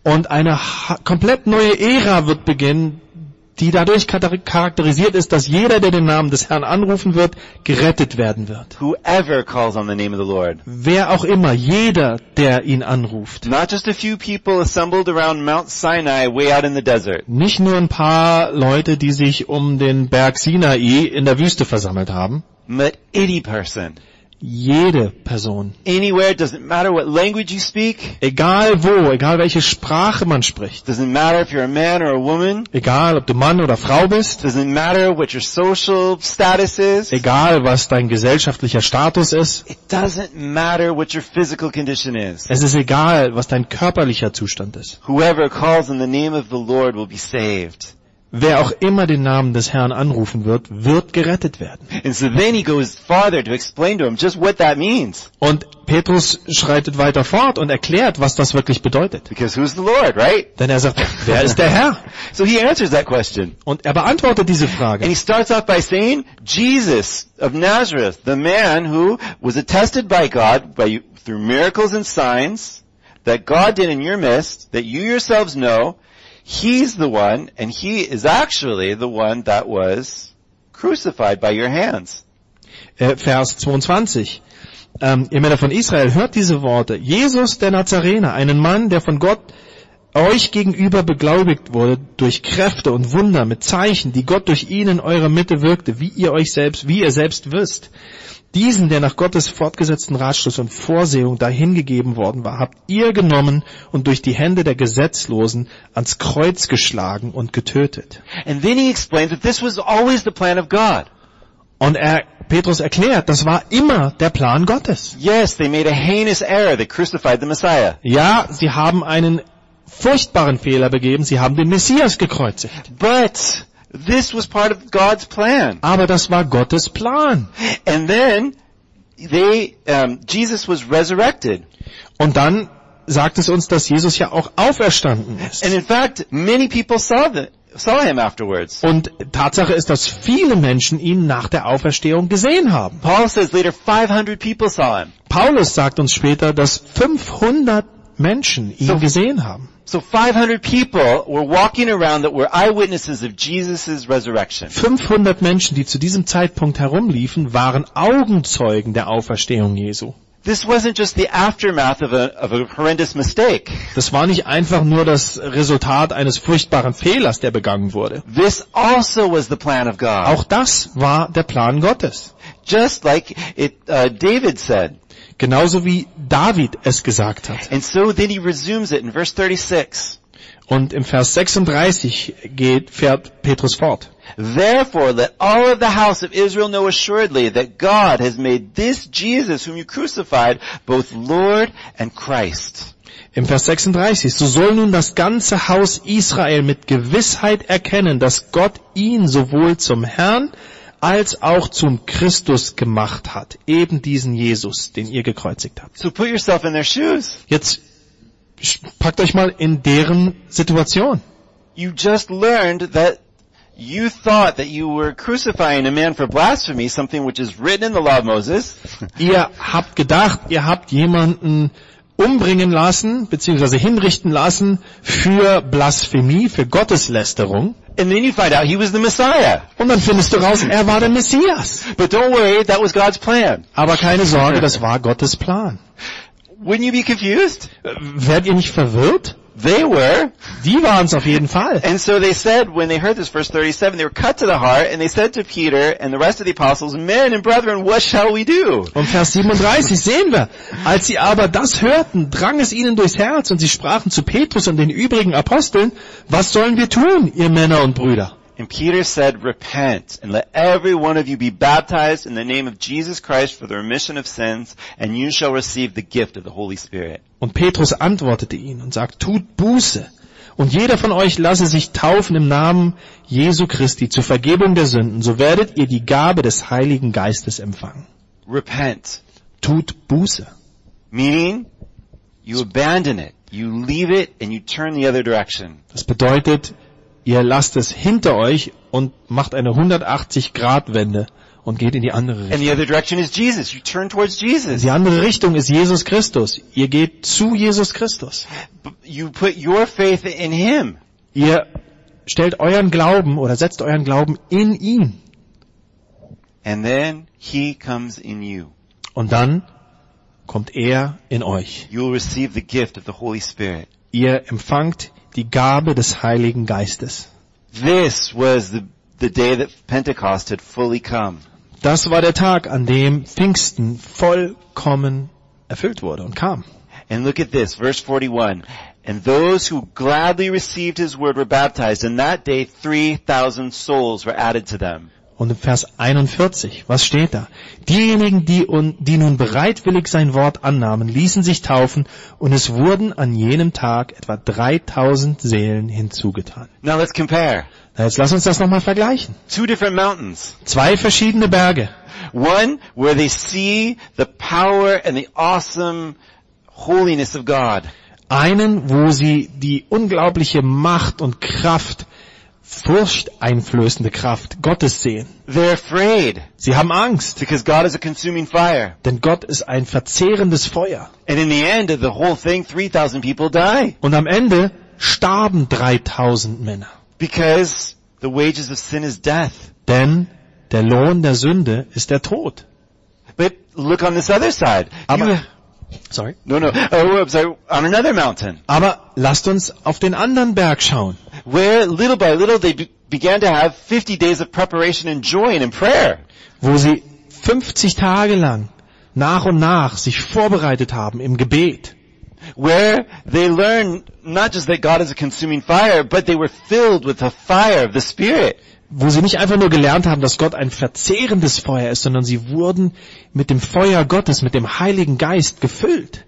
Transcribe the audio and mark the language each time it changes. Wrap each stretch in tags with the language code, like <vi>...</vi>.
<de>Und eine komplett neue Ära wird beginnen, die dadurch charakterisiert ist, dass jeder, der den Namen des Herrn anrufen wird, gerettet werden wird.</de> <en>Whoever calls on the name of the Lord.</en> <de>Wer auch immer, jeder, der ihn anruft.</de> <en>Not just a few people assembled around Mount Sinai way out in the desert.</en> <de>Nicht nur ein paar Leute, die sich um den Berg Sinai in der Wüste versammelt haben.</de> <en>But any person.</en> <de>Jede Person.</de> <en>Anywhere, doesn't matter what language you speak.</en> <de>Egal wo, egal welche Sprache man spricht.</de> <en>Doesn't matter if you're a man or a woman.</en> <de>Egal ob du Mann oder Frau bist.</de> <en>Doesn't matter what your social status is.</en> <de>Egal was dein gesellschaftlicher Status ist.</de> <en>It doesn't matter what your physical condition is.</en> <de>Es ist egal, was dein körperlicher Zustand ist.</de> <en>Whoever calls in the name of the Lord will be saved.</en> <de>Wer auch immer den Namen des Herrn anrufen wird, wird gerettet werden.</de> <en>And so then he goes farther to explain to him just what that means.</en> <de>Und Petrus schreitet weiter fort und erklärt, was das wirklich bedeutet.</de> <en>Because who's the Lord, right?</en> <de>Denn er sagt, wer ist der Herr?</de> <en>So he answers that question.</en> <de>Und er beantwortet diese Frage.</de> <en>And he starts off by saying, Jesus of Nazareth, the man who was attested by God by you, through miracles and signs that God did in your midst, that you yourselves know. He's the one, and he is actually the one that was crucified by your hands.</en> <de>Vers 22. Ihr Männer von Israel, hört diese Worte. Jesus der Nazarener, einen Mann, der von Gott euch gegenüber beglaubigt wurde, durch Kräfte und Wunder, mit Zeichen, die Gott durch ihn in eurer Mitte wirkte, wie ihr selbst wisst. Diesen, der nach Gottes fortgesetzten Ratschluss und Vorsehung dahingegeben worden war, habt ihr genommen und durch die Hände der Gesetzlosen ans Kreuz geschlagen und getötet.</de> <en>And then he explained that this was always the plan of God.</en> <de>Und Petrus erklärt, das war immer der Plan Gottes.</de> <en>Yes, they made a heinous error. They crucified the Messiah.</en> <de>Ja, sie haben einen furchtbaren Fehler begeben. Sie haben den Messias gekreuzigt.</de> <en>But this was part of God's plan.</en> <de>Aber das war Gottes Plan.</de> <en>And then Jesus was resurrected.</en> <de>Und dann sagt es uns, dass Jesus ja auch auferstanden ist.</de> <en>And in fact, many people saw him afterwards.</en> <de>Und Tatsache ist, dass viele Menschen ihn nach der Auferstehung gesehen haben.</de> <en>Paul says later 500 people saw him.</en> <de>Paulus sagt uns später, dass 500 Menschen ihn gesehen haben.</de> <en>So 500 people were walking around that were eyewitnesses of Jesus' resurrection.</en> <de>500 Menschen, die zu diesem Zeitpunkt herumliefen, waren Augenzeugen der Auferstehung Jesu.</de> <en>This wasn't just the aftermath of a horrendous mistake.</en> <de>Das war nicht einfach nur das Resultat eines furchtbaren Fehlers, der begangen wurde.</de> <en>This also was the plan of God.</en> <de>Auch das war der Plan Gottes.</de> <en>Just like David said.</en> <de>Genauso wie David es gesagt hat.</de> <en>And so then he resumes it in verse 36.</en> <de>Und im Vers 36 fährt Petrus fort.</de> <en>Therefore let all of the house of Israel know assuredly that God has made this Jesus whom you crucified both Lord and Christ.</en> <de>Im Vers 36, so soll nun das ganze Haus Israel mit Gewissheit erkennen, dass Gott ihn sowohl zum Herrn als auch zum Christus gemacht hat, eben diesen Jesus, den ihr gekreuzigt habt.</de> <en>So put yourself in their shoes.</en> <de>Jetzt packt euch mal in deren Situation.</de> <en>You just learned that you thought that you were crucifying a man for blasphemy, something which is written in the law of Moses.</en> <de>Ihr habt gedacht, ihr habt jemanden umbringen lassen, beziehungsweise hinrichten lassen für Blasphemie, für Gotteslästerung.</de> <en>And then you find out he was the Messiah.</en> <de>Und dann findest du raus, er war der Messias.</de> <en>But don't worry, that was God's plan.</en> <de>Aber keine Sorge, das war Gottes Plan.</de> <en>Wouldn't you be confused?</en> <de>Werdet ihr nicht verwirrt?</de> <en>They were.</en> <de>Die waren's auf jeden Fall.</de> <en>And so they said, when they heard this verse 37, they were cut to the heart, and they said to Peter and the rest of the apostles, men and brethren, what shall we do?</en> <de>Und Vers 37 sehen wir. Als sie aber das hörten, drang es ihnen durchs Herz, und sie sprachen zu Petrus und den übrigen Aposteln, was sollen wir tun, ihr Männer und Brüder?</de> <en>And Peter said, repent, and let every one of you be baptized in the name of Jesus Christ for the remission of sins, and you shall receive the gift of the Holy Spirit.</en> <de>Und Petrus antwortete ihnen und sagt, tut Buße, und jeder von euch lasse sich taufen im Namen Jesu Christi zur Vergebung der Sünden, so werdet ihr die Gabe des Heiligen Geistes empfangen.</de> <en>Repent.</en> <de>Tut Buße.</de> <en>Meaning, you abandon it, you leave it, and you turn the other direction.</en> <de>Das bedeutet, ihr lasst es hinter euch und macht eine 180-Grad-Wende und geht in die andere Richtung.</de> <en>And the other direction is Jesus. You turn towards Jesus.</en> <de>Die andere Richtung ist Jesus Christus. Ihr geht zu Jesus Christus.</de> <en>You put your faith in him.</en> <de>Ihr stellt euren Glauben oder setzt euren Glauben in ihn.</de> <en>And then he comes in you.</en> <de>Und dann kommt er in euch.</de> <en>You'll receive the gift of the Holy Spirit.</en> <de>Ihr empfangt die Gabe des Heiligen Geistes.</de> <en>This was the day that Pentecost had fully come.</en> <de>Das war der Tag, an dem Pfingsten vollkommen erfüllt wurde und kam.</de> <en>And look at this, verse 41. And those who gladly received his word were baptized, and that day 3,000 souls were added to them.</en> <de>Und im Vers 41, was steht da? Diejenigen, die nun bereitwillig sein Wort annahmen, ließen sich taufen, und es wurden an jenem Tag etwa 3000 Seelen hinzugetan.</de> <en>Now let's compare.</en> <de>Na, jetzt lass uns das nochmal vergleichen.</de> <en>Two different mountains.</en> <de>Zwei verschiedene Berge.</de> <en>One where they see the power and the awesome holiness of God.</en> <de>Einen, wo sie die unglaubliche Macht und Kraft, furchteinflößende Kraft Gottes sehen.</de> <en>They're afraid.</en> <de>Sie haben Angst.</de> <en>Because God is a consuming fire.</en> <de>Denn Gott ist ein verzehrendes Feuer.</de> <en>And in the end of the whole thing, 3,000 people die.</en> <de>Und am Ende starben 3,000 Männer.</de> <en>Because the wages of sin is death.</en> <de>Denn der Lohn der Sünde ist der Tod.</de> <en>But look on this other side. On another mountain.</en> <de>Aber lasst uns auf den anderen Berg schauen.</de> <en>Where little by little they began to have 50 days of preparation and joy and in prayer.</en> <de>Wo sie 50 Tage lang nach und nach sich vorbereitet haben im Gebet.</de> <en>Where they learned not just that God is a consuming fire, but they were filled with the fire of the Spirit.</en> <de>Wo sie nicht einfach nur gelernt haben, dass Gott ein verzehrendes Feuer ist, sondern sie wurden mit dem Feuer Gottes, mit dem Heiligen Geist gefüllt.</de>